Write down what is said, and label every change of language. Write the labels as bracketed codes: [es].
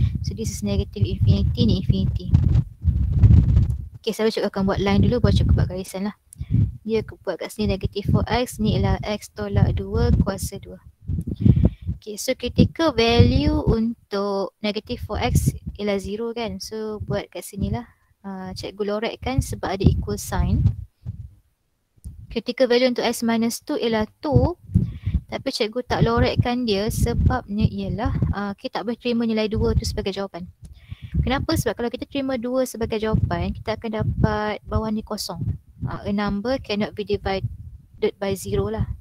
[en] So this is negative infinity, ni infinity. [ms] Okay, selalu cikgu akan buat line dulu, buat cikgu buat garisan lah. Dia buat kat sini negative 4x, ni ialah x tolak 2 kuasa 2. Okay, so critical value untuk negative 4x ialah 0 kan. So buat kat sini lah. Cikgu lorek kan sebab ada equal sign. Critical value untuk x minus 2 ialah 2. Tapi cikgu tak lorekkan dia sebabnya ialah kita tak boleh terima nilai 2 tu sebagai jawapan. Kenapa? Sebab kalau kita terima 2 sebagai jawapan, kita akan dapat bawah ni kosong. [en] A number cannot be divided by 0 lah.